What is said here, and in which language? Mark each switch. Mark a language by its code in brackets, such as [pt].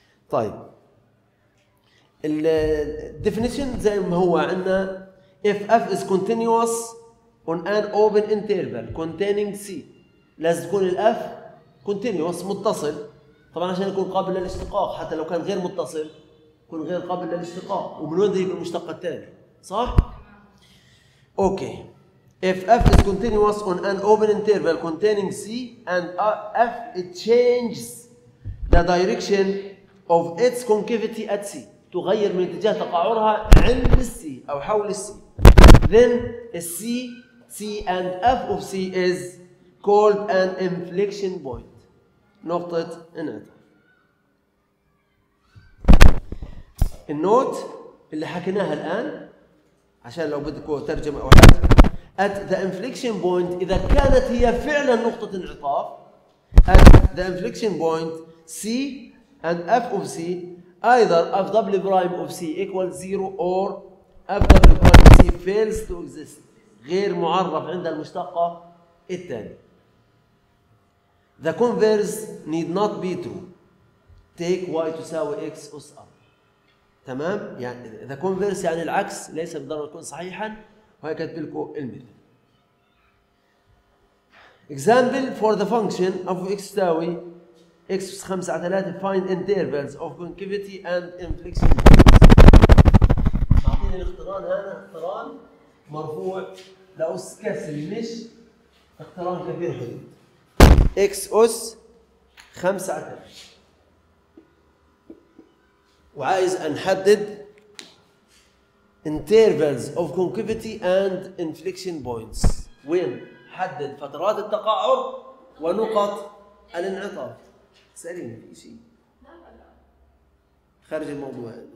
[ar] طيب الديفينيشن زي ما هو عندنا، [en] if f is continuous on an open interval containing c, [ar] لازم تكون الاف كونتينوس متصل طبعا عشان يكون قابل للاشتقاق، حتى لو كان غير متصل يكون غير قابل للاشتقاق، ومن وين تجيب المشتقه الثانيه، صح؟ اوكي. [en] If f is continuous on an open interval containing c and f it changes the direction of its concavity at c، [ar] تغير من اتجاه تقعرها عند c او حول c، [en] then c c and f of c is called an inflection point، [ar] نقطة انعطاف. النوت اللي حكيناها الان عشان لو بدكوا ترجمة او حاجة، [en] at the inflection point [ar] إذا كانت هي فعلا نقطة انعطاف، [en] at the inflection point c and f of c either f double prime of c equals zero or f double prime of c fails to exist، [ar] غير معرف عند المشتقة الثانية. [en] The converse need not be true، take y [ar] تساوي x أس أر، تمام؟ يعني [en] the converse [ar] يعني العكس ليس بالضرورة يكون صحيحا، وهي كاتب لكم المثال. [en] Example for the function of x [ar] تساوي x بس 5 على 3 [en] find intervals of concavity and inflection. [ar] تعطيني الاقتران، هذا اقتران مرفوع لأس كسر مش اقتران كبير حدود. x أس 5 على 3 وعايز أنحدد [en] intervals of concavity and inflection points. [ar] وين؟ حدد فترات التقاعر ونقط الانعطاف. سأليني شيء خارج الموضوع.